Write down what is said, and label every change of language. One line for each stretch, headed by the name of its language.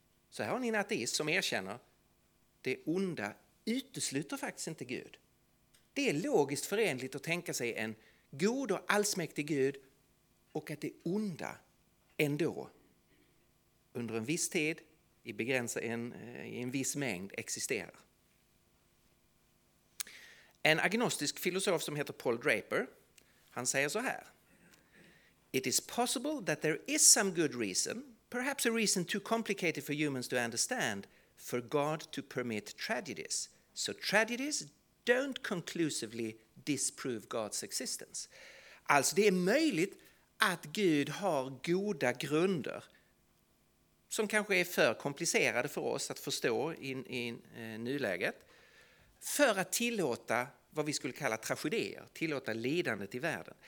Swedish: Så här har ni en ateist som erkänner att det onda utesluter faktiskt inte Gud. Det är logiskt förenligt att tänka sig en god och allsmäktig Gud och att det onda ändå under en viss tid i en viss mängd existerar. En agnostisk filosof som heter Paul Draper, han säger så här:
English: "It is possible that there is some good reason, perhaps a reason too complicated for humans to understand, for God to permit tragedies. So tragedies don't conclusively disprove God's existence."
Swedish: Alltså, det är möjligt att Gud har goda grunder som kanske är för komplicerade för oss att förstå i nuläget, för att tillåta vad vi skulle kalla tragedier, tillåta lidandet i världen.